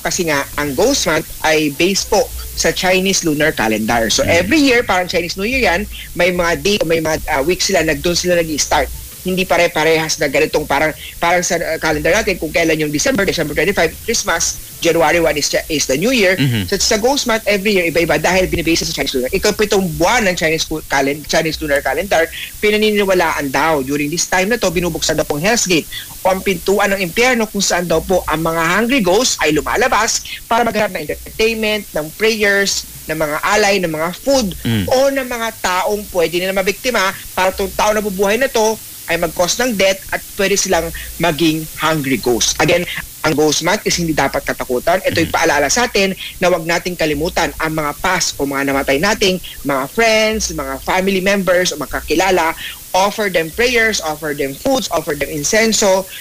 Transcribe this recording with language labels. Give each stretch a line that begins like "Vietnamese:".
Filipino: Kasi nga, ang ghost month ay based po sa Chinese lunar calendar. So, mm-hmm, every year, parang Chinese New Year yan, may mga day o may mga week sila, nagdun sila nag-start. Hindi pare-parehas na ganitong parang sa calendar natin kung kailan yung December 25, Christmas,
English: January 1 is the New Year.
Filipino: Mm-hmm. So sa ghost month, every year, iba-iba dahil binibase sa Chinese lunar. Ikapitong buwan ng Chinese lunar calendar, pinaniniwalaan daw during this time na to, binubuksan daw pong Hell's Gate o ang pintuan ng impyerno kung saan daw po ang mga hungry ghosts ay lumalabas para maghanap ng entertainment, ng prayers, ng mga alay, ng mga food, o ng mga taong pwede nila mabiktima para itong tao na bubuhay na to ay mag-cause ng death at pwede silang maging hungry ghost. Again, ang ghost month is hindi dapat katakutan. Ito'y paalala sa atin na huwag nating kalimutan ang mga past o mga namatay nating mga friends, mga family members o makakilala.
English: Offer them prayers, offer them foods, offer them incenso.